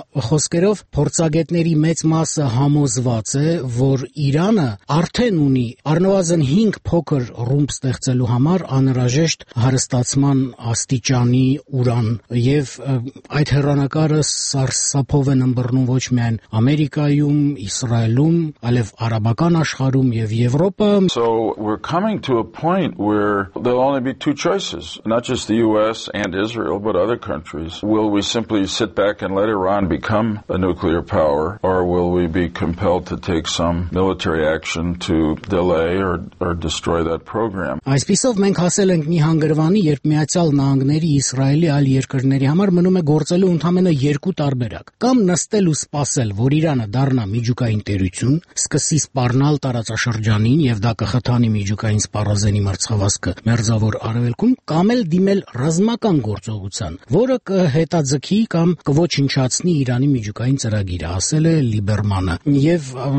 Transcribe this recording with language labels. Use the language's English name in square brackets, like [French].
[Armenian] խոսքերով փորձագետների մեծ մասը համոզված է, որ Իրանը արդեն ունի առնվազն 5 փոքր ռումբ ստեղծելու համար անհրաժեշտ հարստացման աստիճանի ուրան, և այդ հեռանակարը սարսափով է ըմբռնում ոչ միայն Ամերիկայում, Իսրայելում, այլև արաբական աշխարհում և Եվրոպայում։ [English] So we're coming to a point where there'll only be two choices, not just the US and Israel, but other countries. Will we simply sit back and let Iran become a nuclear power, or will we be compelled to take some military action to delay or destroy that program? [Armenian] Այսպիսով մենք հասել ենք մի հանգրվանի, երբ Միացյալ Նահանգների, Իսրայելի այլ երկրների համար մնում է գործելու ընդամենը երկու տարբերակ. կամ նստել ու սպասել, որ Իրանը դառնա միջուկային տերություն, սկսի սպառնալ տարածաշրջանին եւ դա կխթանի միջուկային սպառազենի մրցավազքը մերձավոր արևելքում, կամ էլ դիմել ռազմական գործողության, որը կհետաձգի կամ կոչնչացնի Իրանի միջուկային ծրագիրը, ասել է Լիբերմանը, և